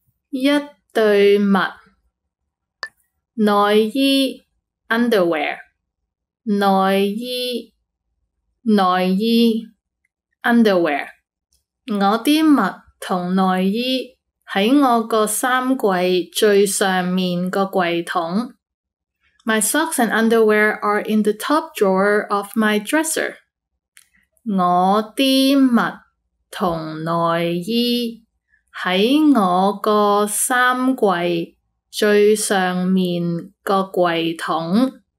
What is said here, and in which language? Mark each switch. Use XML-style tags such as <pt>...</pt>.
<yue>一对袜内衣</yue> <en>underwear,</en> <yue>内衣内衣</yue> <en>underwear,</en> <yue>我的袜和内衣在我的衫柜最上面的柜桶。</yue> <en>My socks and underwear are in the top drawer of my dresser.</en> <yue>我的襪同內衣在我的衫櫃最上面的櫃桶。</yue>